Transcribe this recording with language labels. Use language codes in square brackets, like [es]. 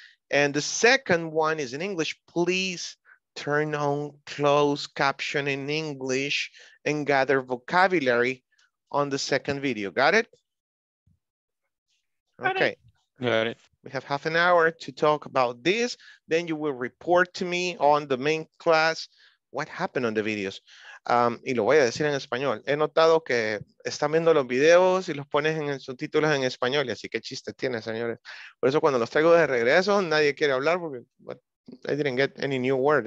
[en] And the second one is in English. Please turn on closed caption in English and gather vocabulary on the second video. Got it? Okay. Got it. We have half an hour to talk about this. Then you will report to me on the main class what happened on the videos. [es] Y lo voy a decir en español. He notado que están viendo los videos y los pones en subtítulos en español. Así que chistes tiene, señores. Por eso cuando los traigo de regreso, nadie quiere hablar. Porque, [en] but I didn't get any new word.